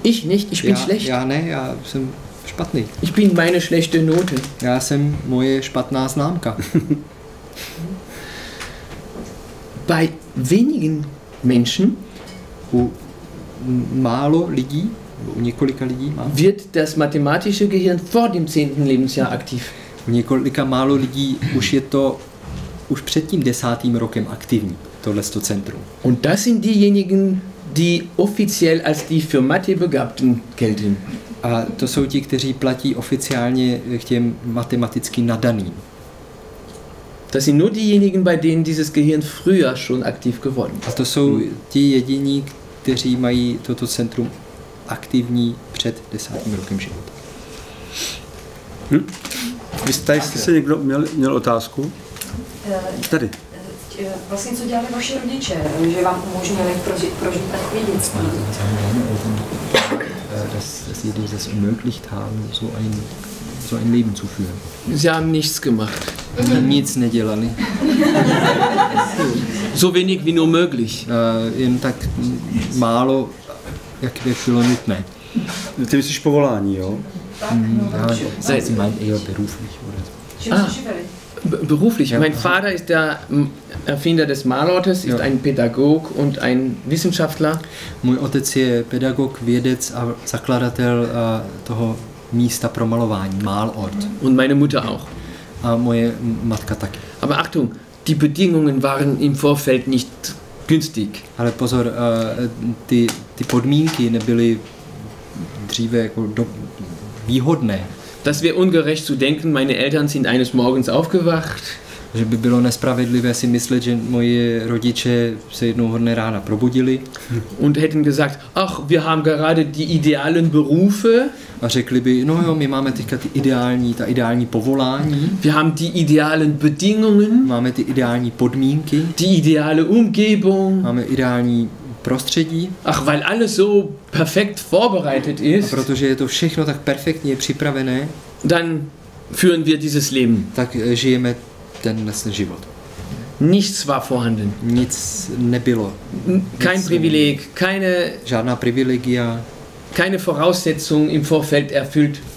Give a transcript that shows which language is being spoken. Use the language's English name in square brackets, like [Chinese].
[German] Ich nicht, ich bin schlecht. [Czech] Ja, ne, já jsem špatný. [German] Ich bin meine schlechte Note. [Czech] Já jsem moje špatná známka. [German] Bei wenigen Menschen, [Czech] u málo lidí, u několika lidí, [German] wird das mathematische Gehirn vor dem 10. Lebensjahr aktiv. [Czech] U několika málo lidí už je to už před tím 10. rokem aktivní. [German] Und das sind diejenigen, die offiziell als die für Mathe begabten gelten. [Czech] A to jsou ti, kteří platí oficiálně k těm matematicky nadaným. [German] Das sind nur diejenigen, bei denen dieses Gehirn früher schon aktiv geworden ist. [Czech] A to jsou ti jediní, kteří mají toto centrum aktivní před 10. rokem života. Vy jste se někdo měl otázku? Tady. Vlastně, co dělali vaši rodiče, že vám umožnili prožít takový dětství? [German] Dass sie dir das ermöglicht haben, so ein Leben zu führen. Sie haben nichts gemacht. [Czech] Nic nedělali. [German] So wenig wie nur möglich. [Czech] Jen tak málo, jak by bylo nutné. Ty myslíš povolání, jo? [German] Sie meinen eher beruflich, oder? Beruflich. Ja. Mein Vater ist der Erfinder des Malortes, ist ein Pädagog und ein Wissenschaftler. [Czech] Můj otec je pedagog, vědec a zakladatel toho místa pro malování, Malort. [German] Und meine Mutter auch. [Czech] A moje matka taky. [German] Aber Achtung, die Bedingungen waren im Vorfeld nicht günstig. [Czech] Ale pozor, ty podmínky nebyly dříve jako výhodné. [German] Das wäre ungerecht zu denken, meine Eltern sind eines Morgens aufgewacht. [Czech] Že by bylo nespravedlivé si myslet, že moje rodiče se jednoho dne ráno probudili. [German] Und hätten gesagt, ach, wir haben gerade die idealen Berufe. [Czech] A řekli by, no jo, my máme teďka ta ideální povolání. [German] Wir haben die idealen Bedingungen. [Czech] Máme ty ideální podmínky. [German] Die ideale Umgebung. [Czech] Máme ideální prostředí. [German] Ach, weil alles so perfekt vorbereitet ist. [Czech] A protože je to všechno tak perfektně připravené. [German] Dann führen wir dieses Leben. [Czech] Tak žijeme ten život. [German] Nichts war vorhanden. [Czech] Nic nebylo. [German] Kein Privileg, keine [Czech] žádná privilegia. [German] Keine Voraussetzung im Vorfeld erfüllt.